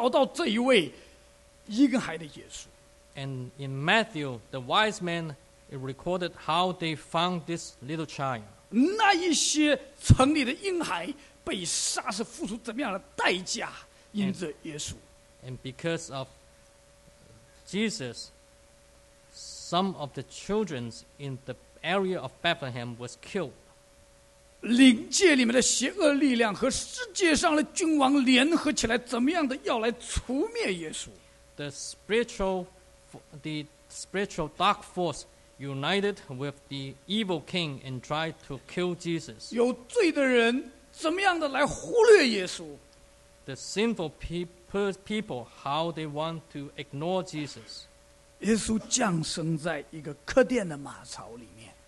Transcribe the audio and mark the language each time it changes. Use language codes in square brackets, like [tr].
[zh] 在马太福音里面讲的清清楚楚的，他们怎么样的找到这一位婴孩的耶稣。 [en] And in Matthew, the wise men recorded how they found this little child. [zh] 那一些城里的婴孩被杀，是付出怎么样的代价，因着耶稣。 [en] And because of Jesus, some of the children in the area of Bethlehem was killed. The spiritual dark force united with the evil king and tried to kill Jesus. The sinful people, how they want to ignore Jesus. [zh] 耶稣降生在一个客店的马槽里面。